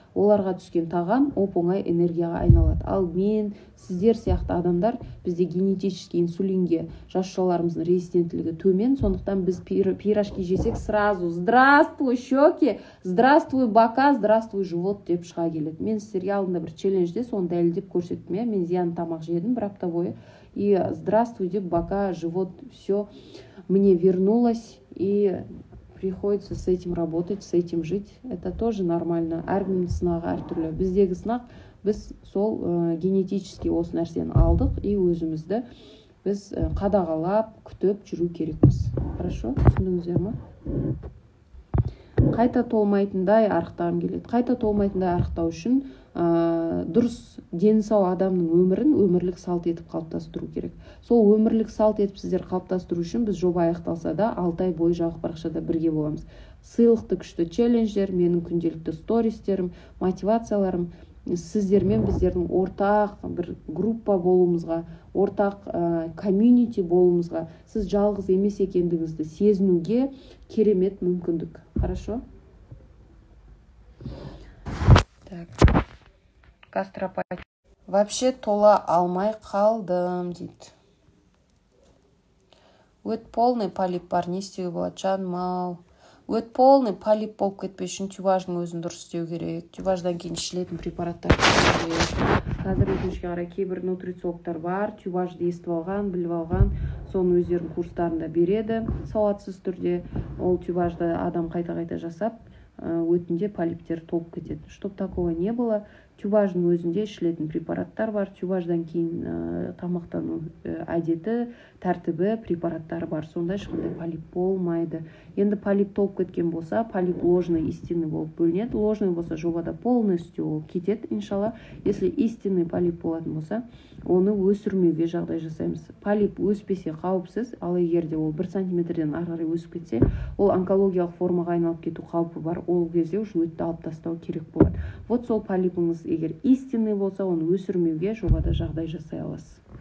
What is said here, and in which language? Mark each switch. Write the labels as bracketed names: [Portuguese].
[Kazakh] Оларға түскен тағам оп-оңай энергияға айналады. Ал мен, сіздер сияқты адамдар, бізде генетически инсулинге жасушаларымыздың резистенттілігі төмен, сондықтан біз пирожки жесек [Russian] сразу «Здравствуй, щеки! Здравствуй, бока! Здравствуй, живот!» [Kazakh] деп шыға келеді. Мен сіздерге алдында бір челленджде соны дәлелдеп көрсеттім, мен зиян тамақ жедім бір апта бойы. [Russian] И «Здравствуй» [Kazakh] деп [Russian] бока, живот, все мне вернулось. И приходится с этим работать, с этим жить. Это тоже нормально. [Kazakh] Әргім сынағы әртүрлі. Біздегі сынақ, біз сол генетически осы нәрсені алдық, и өзімізді біз қадағалап, күтіп жүру керекпіз. [Russian] Хорошо? [Kazakh] Түсіндіңіздер ма? Қайта толмайтындай арықтағым келеді. Қайта толмайтындай арықтау үшін дұрыс денсау адамның өмірін өмірлік салт етіп қалыптастыру керек. Сол өмірлік салт етіп сіздер қалыптастыру үшін біз жоба аяқталса да 6 ай бойы жалық парақшада бірге боламыз. Сыйлықты күшті челленджер, менің күнделікті стористерім, мотивацияларым, сіздермен біздердің ортақ бір группа болуымызға, ортақ комьюнити болуымызға, сіз жалғыз емес екендігіңізді сезінуге керемет мүмкіндік. [Russian] Хорошо? Так. Гастропатия. Вообще [Kazakh] тола алмай қалдым, дейді. Өт полный полип бар, не істеуге болады? Жанмау. Өт полный полип болып кетпес үшін тюбаждың өзін дұрыс істеу керек. Тюбаждан кейін ішілетін препараттар керек. Қазір өкінішке қарай кейбір нутрициологтар бар, тюбажды естіп алған, біліп алған, соны өздерінің курстарында береді. Сауатсыз түрде ол тюбажды адам қайта-қайта жасап, өтінде полиптер толып кетеді. [Russian] Чтоб такого не было, [Kazakh] тюбаждың өзінде ішілетін препараттар бар. Тюбаждан кейін тамақтану әдеті, тәртібі, препараттар бар. Сонда ешқандай полип болмайды. Енді полип толып кеткен болса, полип [Russian] ложный, истинный [Kazakh] болып бөлінеді. Ложный болса, жобада [Russian] полностью [Kazakh] ол кетеді, иншалла. [Russian] Если истинный [Kazakh] полип болатын болса, оны өсірмеуге жағдай жасаймыз. Полип өспесе қауіпсіз, ал егерде ол 1 сантиметрден арғарай өсіп кетсе, ол онкологиялық формаға айналып кету қаупі бар. Ол кезде уже өтті алып тастау керек болады. [Russian] Вот [Kazakh] сол полипіңіз егер истинный болса, оны өсірмеуге жобада жағдай жасай аласыз.